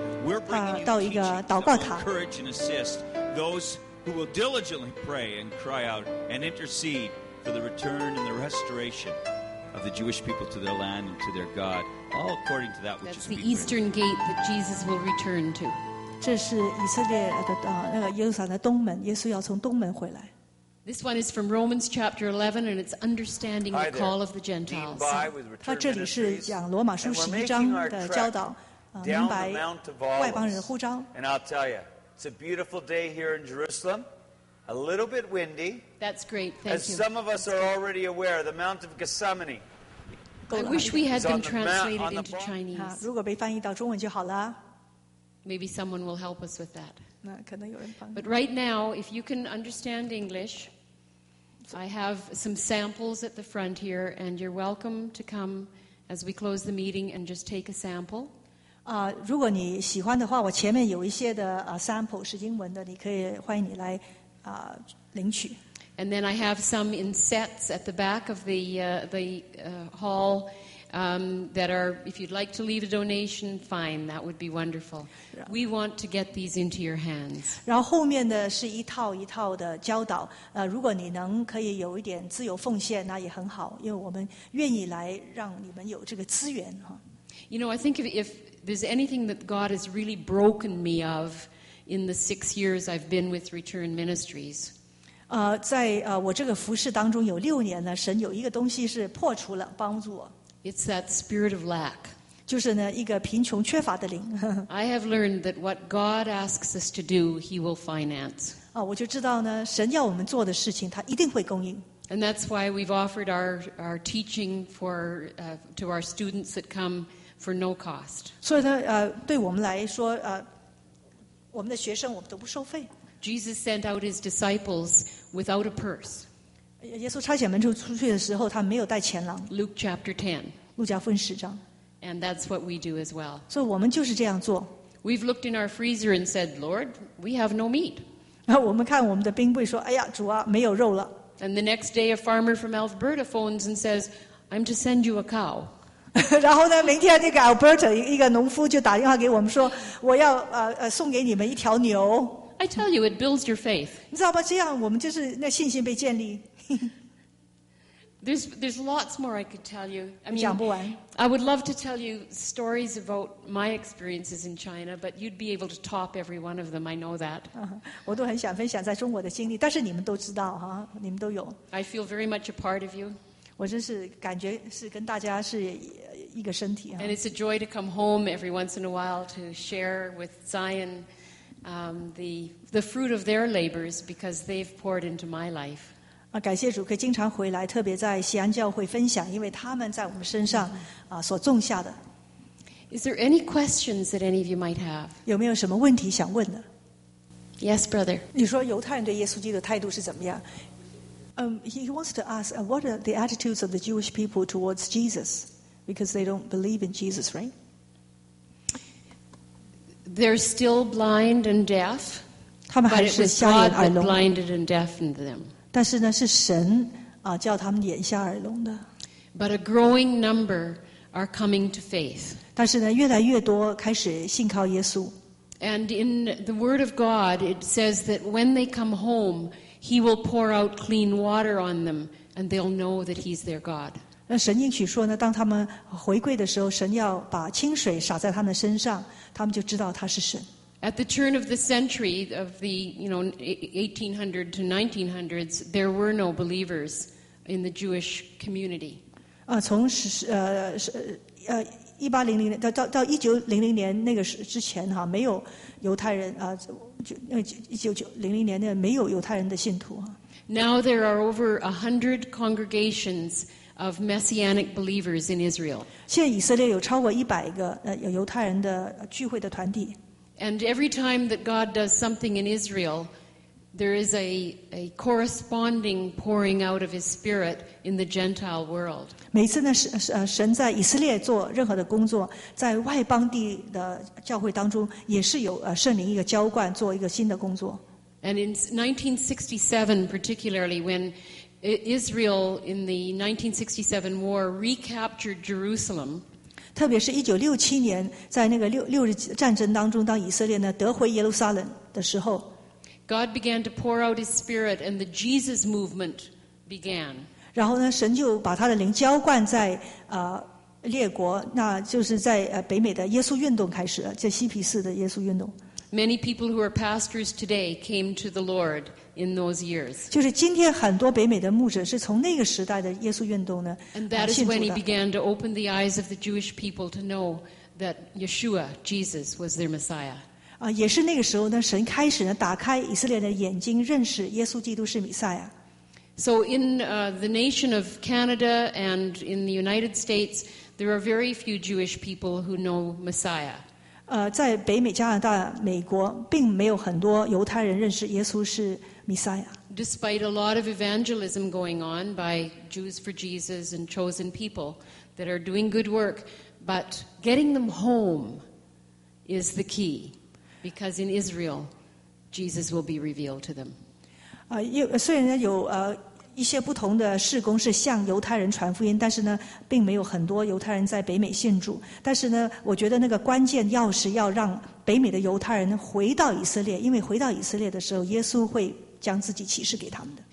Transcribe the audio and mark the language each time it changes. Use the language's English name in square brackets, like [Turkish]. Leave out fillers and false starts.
[English] We're bringing you teaching to encourage and assist those who will diligently pray and cry out and intercede for the return and the restoration of the Jewish people to their land and to their God. All according to that which That's the Eastern Gate that Jesus will return to. [Chinese] 这是以色列的那个耶路撒冷的东门，耶稣要从东门回来。 [English] This one is from Romans chapter 11, and it's understanding the call of the Gentiles. [Chinese] 他这里是讲罗马书十一章的教导，明白外邦人的呼召。 [English] And I'll tell you, it's a beautiful day here in Jerusalem. A little bit windy. That's great. Thank you. As some of us are already aware, the Mount of Gethsemane. I wish we had them translated into Chinese. [Chinese] 如果被翻译到中文就好了。 [English] Maybe someone will help us with that. [Chinese] 那可能有人帮。 [English] But right now, if you can understand English, I have some samples at the front here, and you're welcome to come as we close the meeting and just take a sample. [Chinese] 如果你喜欢的话，我前面有一些的sample 是英文的，你可以欢迎你来领取。 [English] And then I have some in sets at the back of the hall that are, if you'd like to leave a donation, fine, that would be wonderful. We want to get these into your hands. [Chinese] 然后后面的是一套一套的教导，如果你能可以有一点自由奉献，那也很好，因为我们愿意来让你们有这个资源。 [English] You know, I think if there's anything that God has really broken me of in the 6 years I've been with Return Ministries, [Chinese] 在我这个服事当中有六年呢，神有一个东西是破除了，帮助我。 [English] It's that spirit of lack. [Chinese] 就是呢，一个贫穷缺乏的灵。 [English] I have learned that what God asks us to do, He will finance. [Chinese] 我就知道呢，神要我们做的事情，他一定会供应。 [English] And that's why we've offered our teaching for to our students that come for no cost. [Chinese] 所以呢，对我们来说，我们的学生我们都不收费。 [English] Jesus sent out his disciples without a purse. [Chinese] 耶稣差遣门徒出去的时候，他没有带钱囊。 [English] Luke chapter 10. [Chinese] 路加福音十章。 [English] And that's what we do as well. [Chinese] 所以我们就是这样做。 [English] We've looked in our freezer and said, Lord, we have no meat. [Chinese] 然后我们看我们的冰柜说，哎呀，主啊，没有肉了。 [English] And the next day, a farmer from Alberta phones and says, I'm to send you a cow. [Chinese] 然后呢，明天那个 Alberta 一个农夫就打电话给我们说，我要送给你们一条牛。 [English] I tell you, it builds your faith. [Chinese] 你知道吧？这样我们就是那信心被建立。 [English] There's lots more I could tell you. I [Chinese] mean, 讲不完。 [English] I would love to tell you stories about my experiences in China, but you'd be able to top every one of them. I know that. [Chinese] 我都很想分享在中国的经历，但是你们都知道哈，你们都有。 [English] I feel very much a part of you. [Chinese] 我真是感觉是跟大家是。一个身体啊。 [English] And it's a joy to come home every once in a while to share with Zion. The fruit of their labors because they've poured into my life. [Chinese] 感谢主可以经常回来，特别在西安教会分享，因为他们在我们身上所种下的。 [English] Is there any questions that any of you might have? [Chinese] 有没有什么问题想问的 [English] ？Yes, brother. [Chinese] 你说犹太人对耶稣基督的态度是怎么样？ [English] He wants to ask, what are the attitudes of the Jewish people towards Jesus? Because they don't believe in Jesus, right? They're still blind and deaf, [Chinese] 他们还是瞎眼耳聋。 [English] Blinded and deafened them. [Chinese] 但是呢，是神叫他们眼瞎耳聋的。 [English] But a growing number are coming to faith. [Chinese] 但是呢，越来越多开始信靠耶稣。 [English] And in the Word of God, it says that when they come home, He will pour out clean water on them, and they'll know that He's their God. [Chinese] 那神应许说呢，当他们回归的时候，神要把清水洒在他们身上。他们就知道他是神。 [English] At the turn of the century of the, you know, 1800 to 1900s, there were no believers in the Jewish community. [Chinese] 从1800年到1900年那个之前哈，没有犹太人1900年那没有犹太人的信徒。 [English] Now there are over 100 congregations of messianic believers in Israel. [Chinese] 现在以色列有超过100个有犹太人的聚会的团体。 [English] And every time that God does something in Israel, there is a corresponding pouring out of His Spirit in the Gentile world. [Chinese] 每次呢，神在以色列做任何的工作，在外邦地的教会当中，也是有圣灵一个浇灌，做一个新的工作。 [English] And in 1967, particularly when Israel in the 1967 war recaptured Jerusalem. [Chinese] 特别是1967年，在那个六日战争当中，当以色列呢得回耶路撒冷的时候 [English] ，God began to pour out His Spirit, and the Jesus movement began. [Chinese] 然后呢，神就把他的灵浇灌在列国，那就是在北美的耶稣运动开始了，在西皮士的耶稣运动。 [English] Many people who are pastors today came to the Lord in those years. [Chinese] 就是今天很多北美的牧者是从那个时代的耶稣运动呢 [English] And that is when he began to open the eyes of the Jewish people to know that Yeshua, Jesus, was their Messiah. [Chinese] 也是那个时候呢，神开始呢打开以色列的眼睛，认识耶稣基督是弥赛亚。 [English] So in the nation of Canada and in the United States, there are very few Jewish people who know Messiah. [Chinese] 在北美加拿大美国并没有很多犹太人认识耶稣是弥赛亚 [English] despite a lot of evangelism going on by Jews for Jesus and chosen people that are doing good work but getting them home is the key because in Israel Jesus will be revealed to them [Chinese] 虽然有一些不同的事工是向犹太人传福音，但是呢，并没有很多犹太人在北美信主。但是呢，我觉得那个关键钥匙要让北美的犹太人回到以色列，因为回到以色列的时候，耶稣会将自己启示给他们的。